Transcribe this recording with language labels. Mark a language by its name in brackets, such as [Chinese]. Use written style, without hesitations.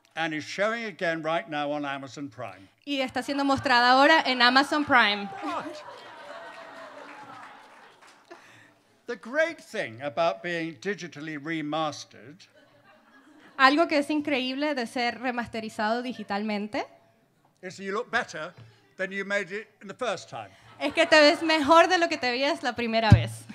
[English] And is showing again right now on Amazon Prime. [Spanish] Y está siendo mostrada ahora en Amazon Prime. [English] The great thing about being digitally remastered. [Spanish] Algo que es increíble de ser remasterizado digitalmente. [English] Is you look better than you made it in the first time. [Spanish] Es que te ves mejor de lo que te veías la primera vez.